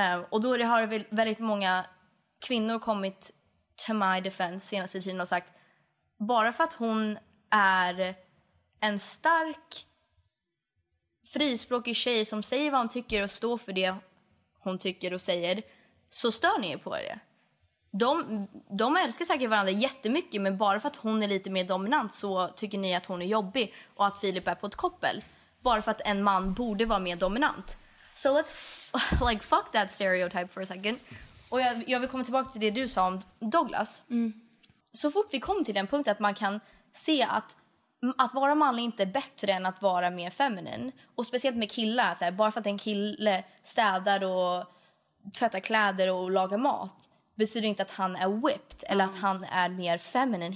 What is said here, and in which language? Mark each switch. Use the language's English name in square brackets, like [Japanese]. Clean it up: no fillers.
[Swedish] Och då har det väldigt många kvinnor kommit to my defense senaste tiden och sagt bara för att hon är en stark frispråkig tjej som säger vad hon tycker och står för det hon tycker och säger så stör ni er på det. De älskar säkert varandra jättemycket, men bara för att hon är lite mer dominant så tycker ni att hon är jobbig och att Filip är på ett koppel. Bara för att en man borde vara mer dominant. [English] So let's like fuck that stereotype for a second. [Swedish] Och jag vill komma tillbaka till det du sa om Douglas. Mm. Så fort vi kommer till den punkten att man kan se att vara manlig inte är bättre än att vara mer feminin. Och speciellt med killar, att så här, bara för att en kille städar och tvättar kläder och lagar mat betyder inte att han är whipped eller att han är mer feminine.